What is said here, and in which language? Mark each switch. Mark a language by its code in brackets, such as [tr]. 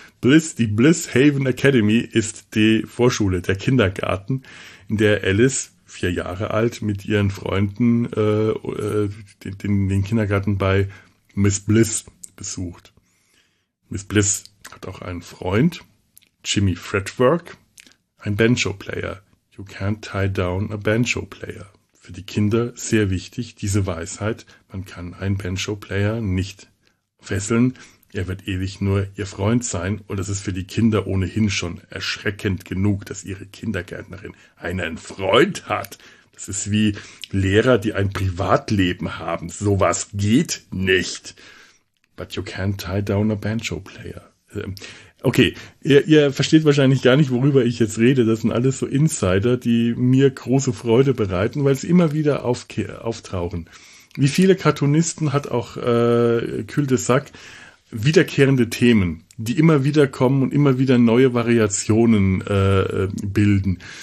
[de] Die Bliss Haven Academy ist die Vorschule, der Kindergarten, in der Alice, 4 Jahre alt, mit ihren Freunden den Kindergarten bei Miss Bliss besucht. Miss Bliss hat auch einen Freund, Jimmy Fretwork, ein Banjo-Player. [en] You can't tie down a Banjo-Player. [de] Für die Kinder sehr wichtig, diese Weisheit, man kann einen Banjo-Player nicht fesseln. Er wird ewig nur ihr Freund sein und es ist für die Kinder ohnehin schon erschreckend genug, dass ihre Kindergärtnerin einen Freund hat. Das ist wie Lehrer, die ein Privatleben haben. Sowas geht nicht. [en] But you can't tie down a banjo player. [de] Okay, ihr versteht wahrscheinlich gar nicht, worüber ich jetzt rede. Das sind alles so Insider, die mir große Freude bereiten, weil sie immer wieder auftauchen. Wie viele Cartoonisten hat auch Cul de Sac wiederkehrende Themen, die immer wieder kommen und immer wieder neue Variationen bilden.